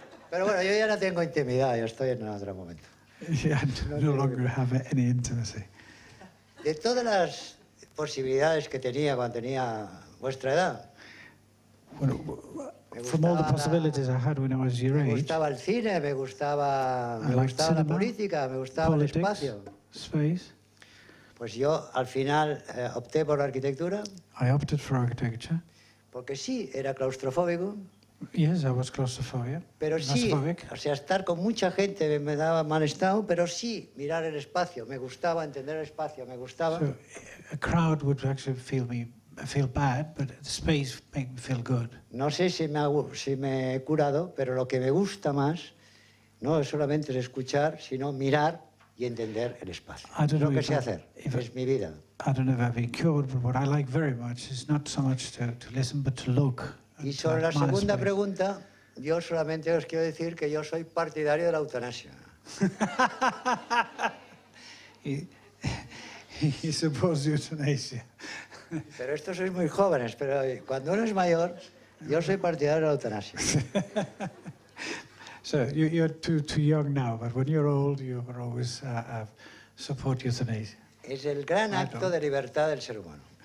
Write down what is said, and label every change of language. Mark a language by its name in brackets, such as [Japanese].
[Spanish] Pero bueno, yo ya no tengo intimidad, yo estoy en otro momento. [English] No longer have any intimacy. [Spanish] De todas las posibilidades que tenía cuando tenía vuestra edad. [English] Bueno, from all the possibilities I had when I was your age. [Spanish] Me gustaba el cine, me gustaba la política, me gustaba [English] politics, [Spanish] el espacio. [English] Space. [Spanish] Pues yo al final opté por la arquitectura. [English] I opted for architecture. [Spanish] Porque sí, era claustrofóbico. [English] Yes, I was claustrophobic. [Spanish] Pero sí, o sea, estar con mucha gente me daba mal estado, pero sí, mirar el espacio, me gustaba entender el espacio, me gustaba. [English] So, a crowd would actually feel bad, but the space made me feel good. [Spanish] No sé si me he curado, pero lo que me gusta más no es solamente escuchar, sino mirar y entender el espacio. Es lo que sé hacer, es mi vida. [English] I don't know if I've been cured, but what I like very much is not so much to listen, but to look. [Spanish] Y sobre la segunda pregunta, yo solamente os quiero decir que yo soy partidario de la eutanasia. [English] He supports euthanasia. [Spanish] Pero estos sois muy jóvenes, pero cuando uno es mayor, yo soy partidario de la eutanasia. [English] So, you're too young now, but when you're old, you will always support euthanasia. [Spanish] Es el gran acto de libertad del ser humano.